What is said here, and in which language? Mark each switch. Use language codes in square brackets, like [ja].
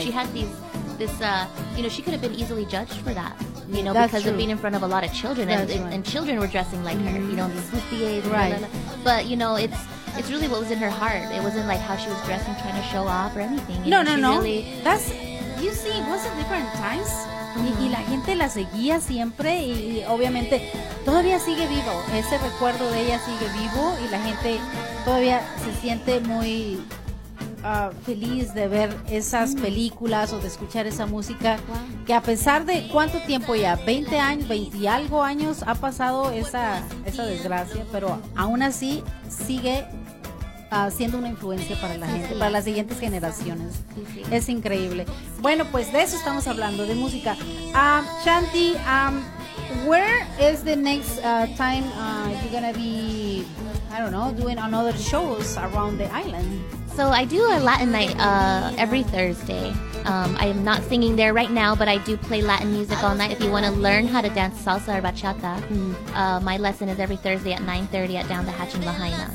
[en] So she had you know, she could have been easily judged for that, you know, that's because true. Of being in front of a lot of children and children were dressing like her, you know, the bustiers. Right. Blah, blah, blah. But, you know, it's really what was in her heart. It wasn't like how she was dressing, trying to show off or anything. No, no, Really, that's, you see, it was at different times. [es] Y la gente la seguía siempre y obviamente todavía sigue vivo. Ese recuerdo de ella sigue vivo y la gente todavía se siente muy feliz de ver esas películas o de escuchar esa música. Que a pesar de cuánto tiempo ya, 20 años, 20 y algo años ha pasado esa desgracia, pero aún así sigue siendo una influencia para la gente, para las siguientes generaciones. Es increíble. Bueno, pues de eso estamos hablando, de música. [en] Shanti, where is the next time you're gonna be, I don't know, doing another shows around the island? So I do a Latin night every Thursday. I am not singing there right now, but I do play Latin music all night. If you want to learn how to dance salsa or bachata, my lesson is every Thursday at 9:30 at Down the Hatch in Lahaina.